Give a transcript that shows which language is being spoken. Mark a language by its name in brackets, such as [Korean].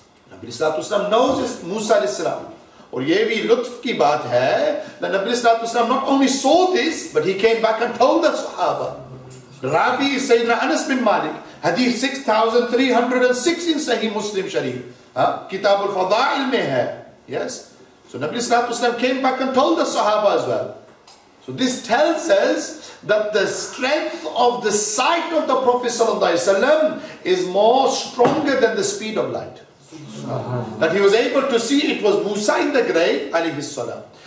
[English] Nabi Islam knows it's Musa alayhi salam. And [Urdu] یہ بھی لطف کی بات ہے، [English] that Nabi Islam not only saw this, but he came back and told the Sahaba. Rabi is Sayyidina Anas bin Malik, Hadith 6306 in Sahih Muslim Sharif. [Urdu] کتاب الفضائل میں ہے۔ [English] Yes? So Nabi Islam came back and told the Sahaba as well. So this tells us that the strength of the sight of the Prophet is more stronger than the speed of light. That he was able to see it was Musa in the grave, alayhi salam.